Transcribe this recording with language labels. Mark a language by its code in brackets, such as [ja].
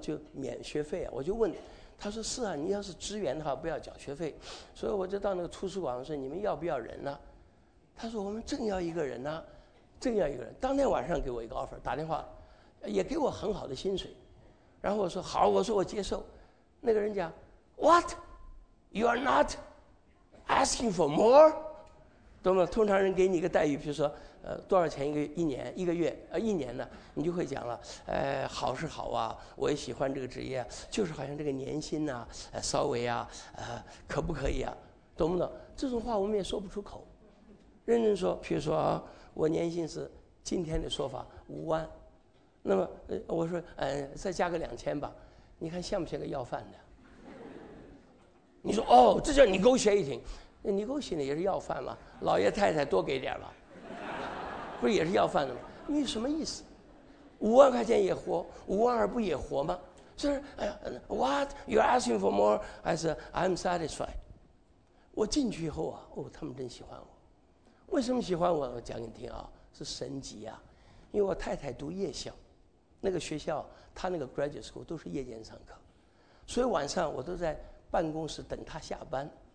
[zh] 就免学费啊。我就问他说是啊，你要是支援的话不要缴学费。所以我就到那个图书馆，我说你们要不要人呢、啊、他说我们正要一个人呢、啊、正要一个人。当天晚上给我一个 offer， 打电话也给我很好的薪水，然后我说好，我说我接受。那个人讲 [en] What you are notasking for more， [zh] 懂吗？通常人给你一个待遇，比如说多少钱一年呢，你就会讲了，好是好啊，我也喜欢这个职业，就是好像这个年薪呢、啊稍微啊可不可以啊，懂不懂？这种话我们也说不出口。认真说，比如说啊，我年薪是今天的说法五万，那么我说再加个两千吧，你看像不像个要饭的？你说哦，这叫 negotiating，那尼姑心里也是要饭嘛，老爷太太多给点吧，不是也是要饭的吗？你什么意思？5万块钱也活，52000不也活吗？就是哎呀 [en] ，What you're asking for more? I said I'm satisfied。 [zh] 我进去以后啊，哦，他们真喜欢我。为什么喜欢我？我讲给你听啊，是神级啊。因为我太太读夜校，那个学校他那个 graduate school 都是夜间上课，所以晚上我都在办公室等他下班。